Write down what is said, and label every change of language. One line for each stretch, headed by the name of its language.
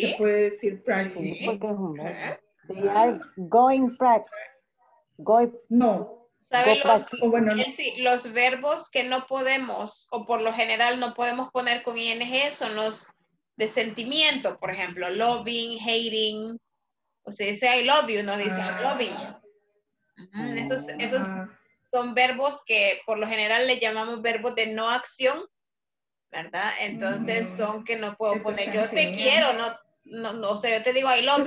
Spanish: Se puede decir practicing. Sí, porque es un
English: verbo. They are going practice. Going.
Spanish: No. ¿Sabe los, bueno, los verbos que no podemos, o por lo general no podemos poner con ing, son los de sentimiento, por ejemplo, loving, hating. O sea, dice
English: I love you,
Spanish: no dice
English: I'm loving.
Spanish: Esos son verbos que por lo general le llamamos verbos de no acción, ¿verdad? Entonces son que no puedo poner, yo te quiero, no, o sea, yo te digo
English: I love